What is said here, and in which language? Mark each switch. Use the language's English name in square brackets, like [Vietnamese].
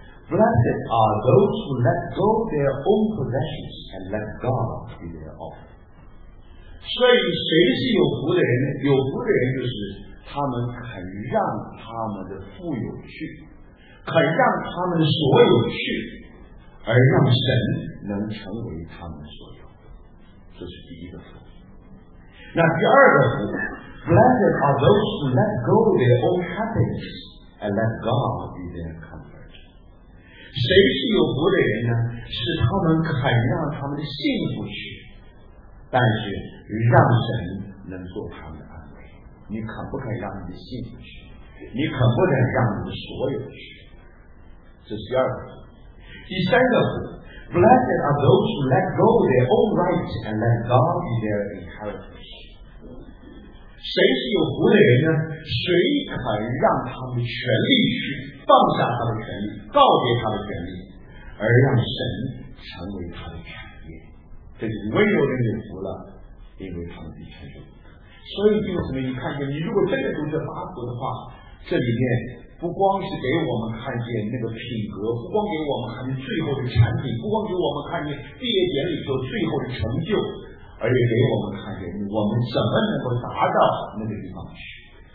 [English] Blessed are those who let go their own possessions and let God be their own。 [Chinese] 所以谁是有福的人呢？有福的人就是他们肯让他们的富有去，肯让他们所有去，而让神能成为他们所有。这是第一个福。那第二个福， [English] Blessed are those who let go their own happiness and let God be their comfort。 [Chinese] 谁是有福的人呢？是他们肯让他们的幸福去，但是让神能做他们的安慰。你肯不肯让你的幸福去？你肯不肯让你的所有去？这是第二个。第三个是 [English] Blessed are those who let go their own rights and let God be their inheritance。 [Chinese] 谁是有福的人呢？谁肯让他们的权利去放下他的权利，告别他的权利，而让神成为他的产业？这就是温柔的人有福了，因为他们的成就。所以弟兄姊妹，你看见，你如果真的读这八福的话，这里面不光是给我们看见那个品格，不光给我们看见最后的产品，不光给我们看见毕业典礼做最后的成就，而且给我们看见我们怎么能够达到那个地方去。